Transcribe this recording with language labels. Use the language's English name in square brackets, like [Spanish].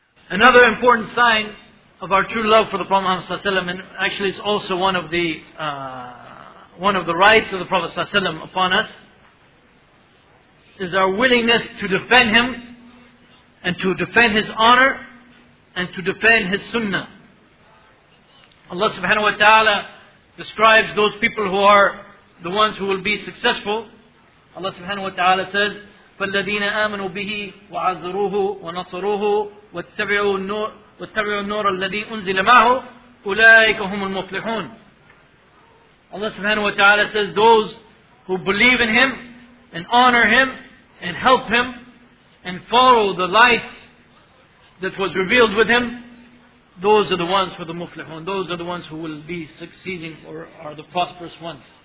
[English] Another important sign of our true love for the Prophet Muhammad Sallallahu Alaihi Wasallam, and actually it's also one of the rights of the Prophet Sallallahu Alaihi Wasallam upon us, is our willingness to defend him and to defend his honor and to defend his sunnah. Allah subhanahu wa ta'ala describes those people who are the ones who will be successful. Allah subhanahu wa ta'ala says, [Arabic] فَالَّذِينَ آمَنُوا بِهِ وَعَزَّرُوهُ وَنَصَرُوهُ وَاتَّبِعُوا النُّورِ وَاتَّبِعُوا النُّورَ الَّذِي أُنزِلَ مَعْهُ أُولَٰئِكَ هُمُ الْمُفْلِحُونَ. [English] Allah subhanahu wa ta'ala says, those who believe in him and honor him and help him and follow the light that was revealed with him, those are the ones for the muflihun. Those are the ones who will be succeeding or are the prosperous ones.